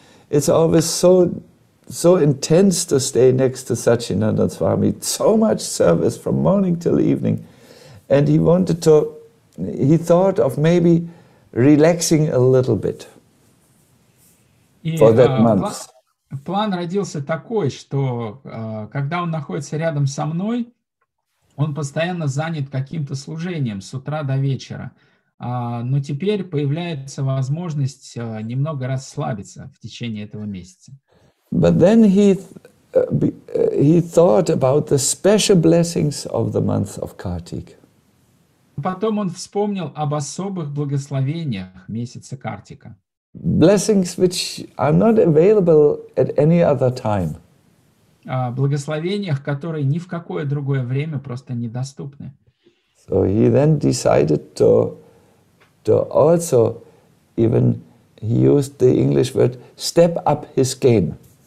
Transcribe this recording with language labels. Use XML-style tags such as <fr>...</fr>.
<en>It's always so intense to stay next to Sachinanda Swami. So much service from morning till evening. And he thought of maybe relaxing a little bit for that month.</en> <ru>План родился такой, что когда он находится рядом со мной, он постоянно занят каким-то служением с утра до вечера. Но теперь появляется возможность немного расслабиться в течение этого месяца.</ru> <en>But then he he thought about the special blessings of the month of Kartik.</en> <ru>Потом он вспомнил об особых благословениях месяца Картика.</ru> <en>Blessings which are not available at any other time.</en> <ru>Благословениях, которые ни в какое другое время просто недоступны.</ru> <en>So he then decided to also even he used the English word step up his game.</en>